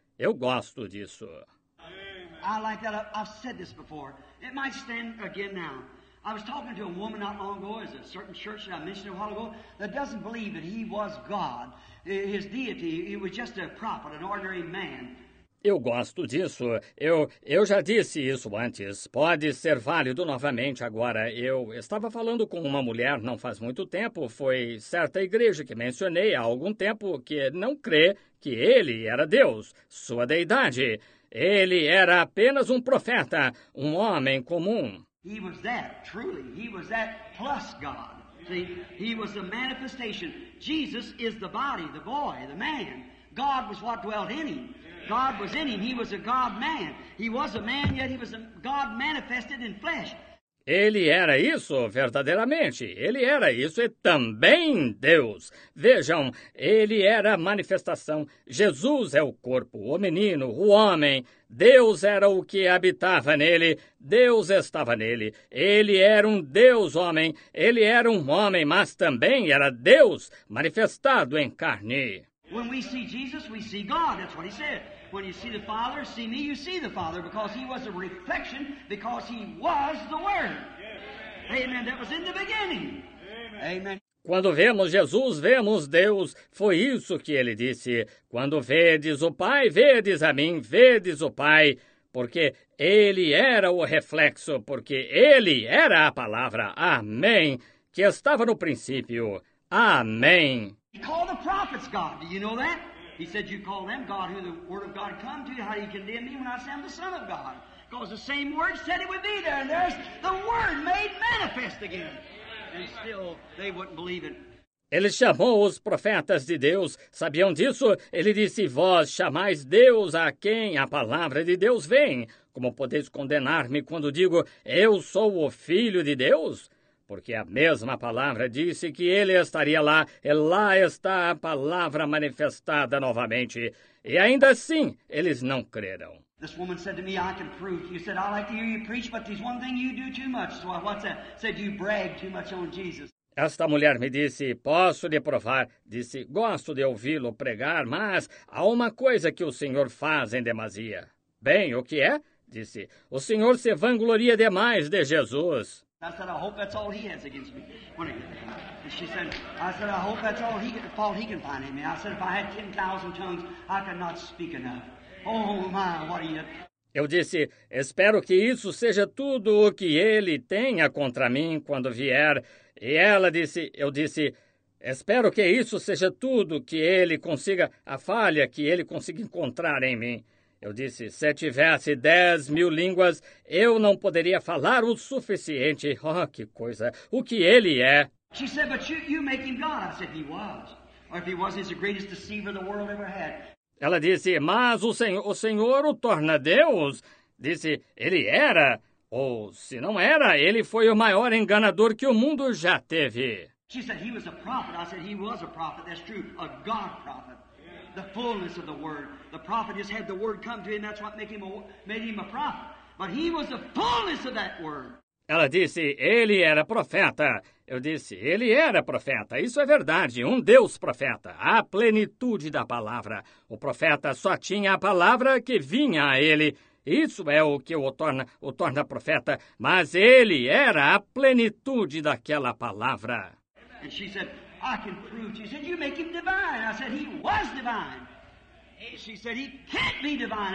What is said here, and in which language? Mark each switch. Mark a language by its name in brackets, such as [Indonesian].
[Portuguese] Eu gosto disso. [English] I like that. I've said this before. It might stand again now. I was talking to a woman not long ago, as a certain church that I mentioned a while ago, that doesn't believe that he was God, his deity, he was just a prophet, an ordinary man. [Portuguese] Eu gosto disso. Eu já disse isso antes. Pode ser válido novamente agora. Eu estava falando com uma mulher não faz muito tempo. Foi certa igreja que mencionei há algum tempo que não crê que ele era Deus, sua deidade. Ele era apenas um profeta, um homem comum. [English] He was that, truly. He was that plus God. See, he was the manifestation. Jesus is the body, the boy, the man. God was what dwelt in him. God was in him. He was a God-man. He was a man, yet he was a God manifested in flesh. [Portuguese] Ele era isso, verdadeiramente. Ele era isso e também Deus. Vejam, ele era a manifestação. Jesus é o corpo, o menino, o homem. Deus era o que habitava nele. Deus estava nele. Ele era um Deus-homem. Ele era um homem, mas também era Deus manifestado em carne. [English] When we see Jesus, we see God. That's what he said. When you see the Father, see me, you see the Father, because he was a reflection, because he was the Word. Yes. Amen. Amen. That was in the beginning. Amen. Amen. [Portuguese] Quando vemos Jesus, vemos Deus. Foi isso que ele disse. Quando vedes o Pai, vedes a mim, vedes o Pai. Porque ele era o reflexo, porque ele era a palavra, amém, que estava no princípio. Amém. [English] He called the prophets God. Do you know that? He said, you call them God, who the word of God come to you. How do you condemn me when I say I'm the Son of God? Because the same word said it would be there. And there's the word made manifest again. And still, they wouldn't believe it. [Portuguese] Ele chamou os profetas de Deus. Sabiam disso? Ele disse, vós chamais Deus a quem a palavra de Deus vem. Como podeis condenar-me quando digo, eu sou o Filho de Deus? Porque a mesma palavra disse que ele estaria lá, e lá está a palavra manifestada novamente. E ainda assim, eles não creram. [English] This woman said to me, I can prove. You said, I like to hear you preach, but there's one thing you do too much. So what's that? Said you brag too much on Jesus. [Portuguese] Esta mulher me disse, posso lhe provar. Disse, gosto de ouvi-lo pregar, mas há uma coisa que o senhor faz em demasia. Bem, o que é? Disse, o senhor se vangloria demais de Jesus. [English] I said, I hope that's all he has against me. And she said, I said, I hope that's all he can, the fault he can find in me. I said, if I had 10,000 tongues, I could not speak enough. Oh, my, what are you... [Portuguese] Eu disse, espero que isso seja tudo o que ele tenha contra mim quando vier. E ela disse, eu disse, espero que isso seja tudo que ele consiga, a falha que ele consiga encontrar em mim. Eu disse, se tivesse 10,000 línguas, eu não poderia falar o suficiente. Oh, que coisa. O que ele é? [English] She said, but you make him God. I said, he was. Or if he was, he's the greatest deceiver the world ever had. [Portuguese] Ela disse, mas o senhor o torna Deus? Disse, ele era. Ou, se não era, ele foi o maior enganador que o mundo já teve. [English] She said, he was a prophet. I said, he was a prophet. That's true. A God prophet. The fullness of the word. The prophet just had the word come to him. That's what made him a prophet. But he was the fullness of that word. [Portuguese] Ela disse, ele era profeta. Eu disse, ele era profeta. Isso é verdade, um Deus profeta. A plenitude da palavra. O profeta só tinha a palavra que vinha a ele. Isso é o que o torna profeta. Mas ele era a plenitude daquela palavra. E ela disse... [English] I can prove. She said, you make him divine. I said, he was divine. She said, he can't be divine.